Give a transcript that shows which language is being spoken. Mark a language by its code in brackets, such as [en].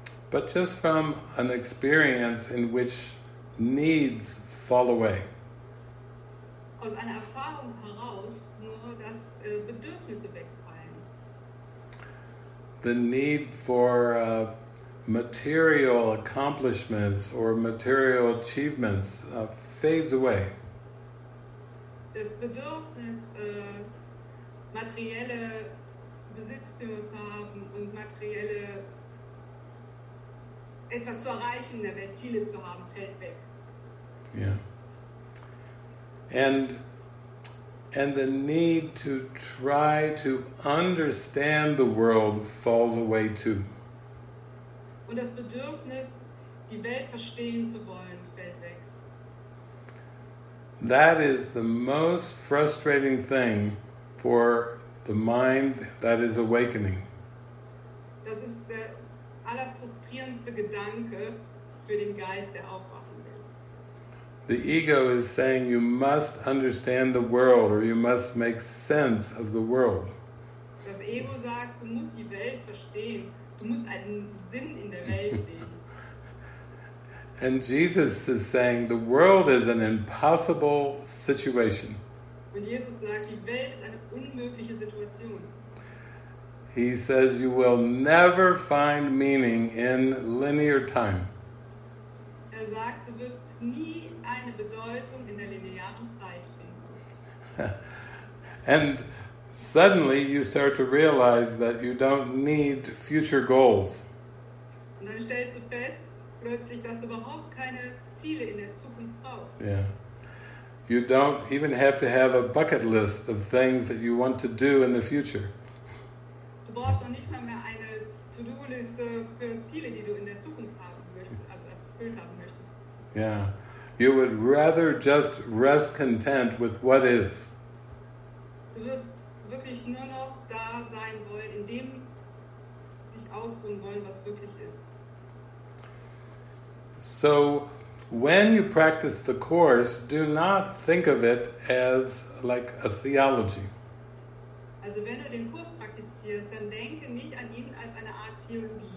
[en] But just from an experience in which needs fall away. [de] Aus einer Erfahrung heraus, nur dass Bedürfnisse wegfallen. [en] The need for material accomplishments or material achievements fades away. [de] Das Bedürfnis, materielle Besitztümer zu haben und materielle etwas zu erreichen in der Welt, Ziele zu haben, fällt weg. [en] Yeah. And the need to try to understand the world falls away too. [de] Und das Bedürfnis, die Welt verstehen zu wollen, fällt weg. [en] That is the most frustrating thing for the mind that is awakening. [de] Das ist der allerfrustrierendste Gedanke für den Geist, der aufwachen will. [en] The ego is saying you must understand the world or you must make sense of the world. [de] Das Ego sagt, du musst die Welt verstehen. Du musst einen Sinn in der Welt sehen. [en] And Jesus is saying the world is an impossible situation. [de] Und Jesus sagt, die Welt ist eine unmögliche Situation. [en] He says you will never find meaning in linear time. [de] Er sagt, du wirst nie eine Bedeutung in der linearen Zeit finden. [en] And suddenly you start to realize that you don't need future goals. [de] Und dann stellst du fest, plötzlich, dass du überhaupt keine Ziele in der Zukunft brauchst. [en] Yeah. You don't even have to have a bucket list of things that you want to do in the future. [de] Du brauchst noch nicht mal mehr eine To-Do-Liste für Ziele, die du in der Zukunft erfüllt haben möchtest. [en] Yeah. You would rather just rest content with what is. [de] Du wirst wirklich nur noch da sein wollen, in dem dich ausruhen wollen, was wirklich ist. [en] So, when you practice the Course, do not think of it as like a theology. [de] Also, wenn du den Kurs praktizierst, dann denke nicht an ihn als eine Art Theologie.